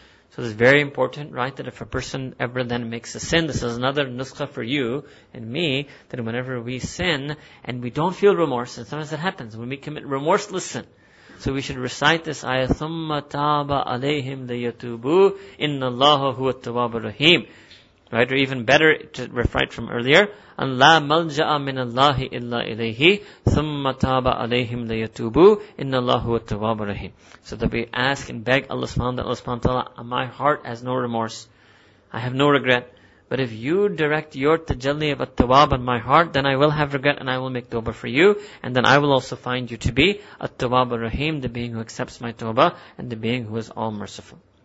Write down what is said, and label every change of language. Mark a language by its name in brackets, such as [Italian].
[English] So it's very important, right, that if a person ever then makes a sin, this is another nuskha for you and me, that whenever we sin and we don't feel remorse, and sometimes it happens, when we commit remorseless sin, so we should recite this ayah, [Arabic] ثُمَّ تَابَ عَلَيْهِمْ لَيَتُوبُوا إِنَّ اللَّهَ هُوَ التَّوَابُ الرَّحِيمُ. [English] Right, or even better, to refrain from earlier, [Arabic] أَنْ لَا مَلْجَأَ مِنَ اللَّهِ إِلَّا إِلَيْهِ ثُمَّ تَابَ عَلَيْهِمْ لَيَتُوبُوا إِنَّ اللَّهُ وَالتَّوَابُ الرَّحِيمُ. [English] So that we ask and beg Allah subhanahu wa ta'ala, Allah subhanahu wa ta'ala, my heart has no remorse, I have no regret, but if you direct your tajalli of at-tawab on my heart, then I will have regret and I will make tawbah for you, and then I will also find you to be at-tawab al-rahim, the being who accepts my tawbah and the being who is all merciful.